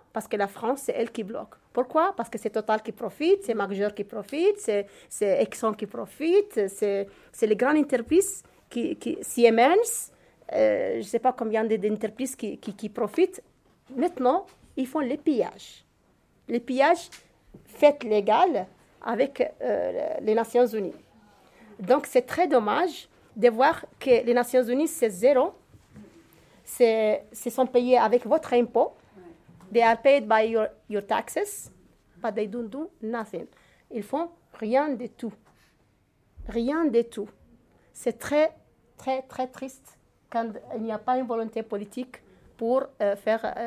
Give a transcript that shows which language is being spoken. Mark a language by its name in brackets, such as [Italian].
[French] Parce que la France, c'est elle qui bloque. Pourquoi? Parce que c'est Total qui profite, c'est Majeur qui profite, c'est Exxon qui profite, c'est les grandes entreprises qui Siemens, je ne sais pas combien d'entreprises qui profitent. Maintenant, ils font les pillages. Les pillages faits légaux avec les Nations Unies. Donc, c'est très dommage de voir que les Nations Unies, c'est zéro. C'est sont payés avec votre impôt. [English] They are paid by your taxes, but they don't do nothing. [French] Ils font rien de tout. Rien de tout. C'est très, très, très triste quand il n'y a pas une volonté politique pour faire...